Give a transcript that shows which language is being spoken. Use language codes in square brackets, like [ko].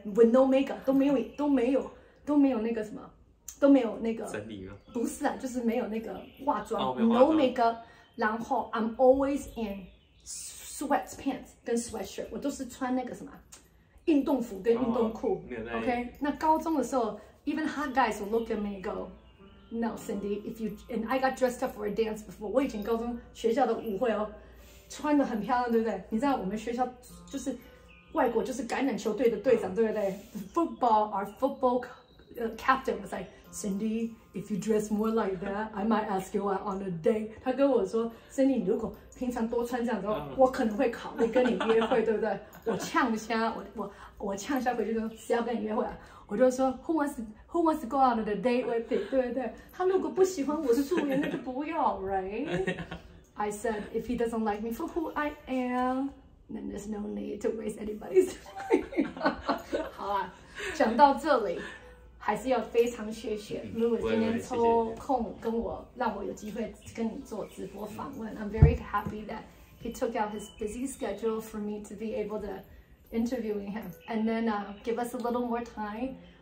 [en] With no makeup, [zh] 都没有那个什么，都没有那个整理了。不是啊，就是没有那个化妆，哦、化妆 [en] no makeup。 [zh] 然后 [en] I'm always in sweatpants [zh] 跟 sweatshirt, 我都是穿那个什么运动服跟运动裤。哦、没有 [en] OK, [zh] 那高中的时候 [en] ，even hot guys will look at me and go, "No, Cindy, if you and I got dressed up for a dance before." [zh] 我以前高中学校的舞会哦。穿得很漂亮，对不对？你知道我们学校就是外国就是橄榄球队的队长，对不对 ？ [en] Football, our football captain was like, Cindy, if you dress more like that, I might ask you out on a date. [zh] 他跟我说 ，Cindy， 如果平常多穿这样子，我可能会考虑跟你约会，对不对？我呛下，我呛下回去说，谁要跟你约会啊？ [en] 我就说 ，Who wants to go out on a date with me？ [zh] 对不对？他如果不喜欢我是素颜，那就不要 ， [en] right？ I said, if he doesn't like me for who I am, then there's no need to waste anybody's time. [zh] 好啊，讲到这里，还是要非常谢谢 Louis 今天抽空跟我，让我有机会跟你做直播访问。 [en] I'm very happy that he took out his busy schedule for me to be able to interview him. And then give us a little more time.